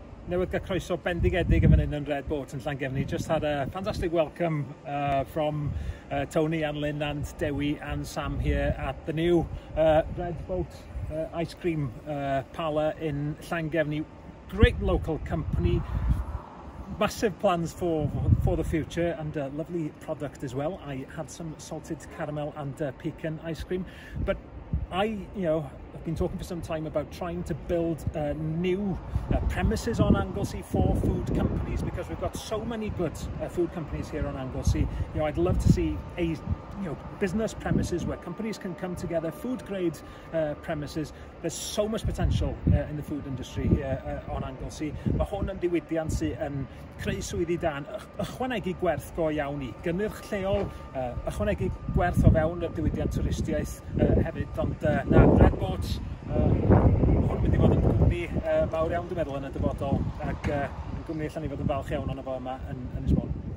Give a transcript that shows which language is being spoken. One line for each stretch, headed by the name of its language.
Welsh: Newydd gael croeso bendigedig yn fan hyn yn Red Boat yn Llangefni.
English: Just had a fantastic welcome from Tony and Lynn and Dewi and Sam here at the new Red Boat ice cream parlour in Llangefni. Great local company. Massive plans for the future and a lovely product as well. I had some salted caramel and pecan ice cream, but I, you know, I've been talking for some time about trying to build new premises on Anglesey for food companies, because we've got so many good food companies here on Anglesey. You know, I'd love to see a, you know, business premises where companies can come together, food grade premises. There's so much potential in the food industry here on Anglesey.
Welsh: Mae hwn yn diwydiant sy'n creu swyddi dan, ychwanegu gwerth go iawn i gynnyrch lleol, ychwanegu gwerth o fewn y diwydiant twristiaeth hefyd. Ond na, Red Boat, hwn yn mynd i fod yn gwmni mawr iawn, dwi'n meddwl, yn y dyfodol, ac yn gwmni allan i fod yn falch iawn ond efo yma yn Ynys Môn.